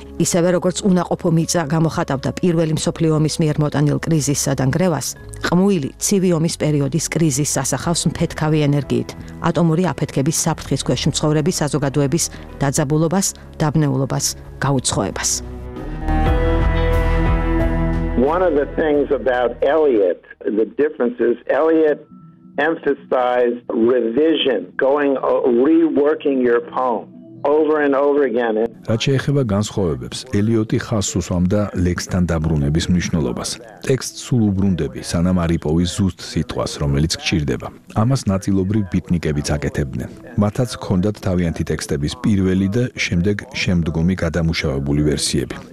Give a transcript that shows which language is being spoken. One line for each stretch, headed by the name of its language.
Georgian: ისევე როგორც უნაყოფო მიწა გამოხატავდა პირველი მსოფლიო ომის მიერ მოტანილ კრიზისსა და ნგრევას, ყმუილი ცივი ომის პერიოდის კრიზისს ასახავს მფეთქავი ენერგიით, ატომური აფეთქების საფრთხის ქვეშ მცხოვრების საზოგადოების დაძაბულობას, დაბნეულობას, გაუცხოებას.
English: One of the things about Eliot, the difference is Eliot emphasized revision, going reworking your poem over and over again.
Georgian: რაც შეეხება განსხვავებებს, ელიოტი ხას უსვამდა ლექსთან დაბრუნების მნიშვნელობას. ტექსტ სულ უბრუნდები, სანამ არ იპოვის ზუსტ სიტყვას, რომელიც გჭირდება. ამას ნაწილობრივ ბიტნიკებიც აკეთებდნენ. მათაც ჰქონდათ თავიანთი ტექსტების პირველი და შემდეგ შემდგომი გადამუშავებული ვერსიები.